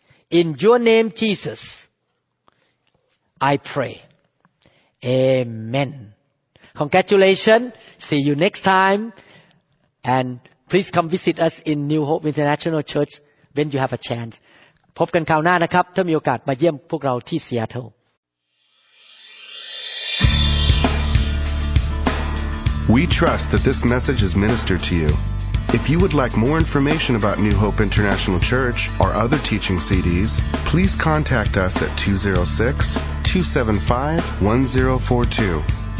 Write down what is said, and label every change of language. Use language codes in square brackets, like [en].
[en] In your name, Jesus, I pray. Amen. Congratulations. See you next time. And please come visit us in New Hope International Church when you have a chance. [th] พบกันคราวหน้านะครับถ้ามีโอกาสมาเยี่ยมพวกเราที่ซีแอตเทิล [en] We trust that this message is ministered to you. If you would like more information about New Hope International Church or other teaching CDs, please contact us at 206-275-1042.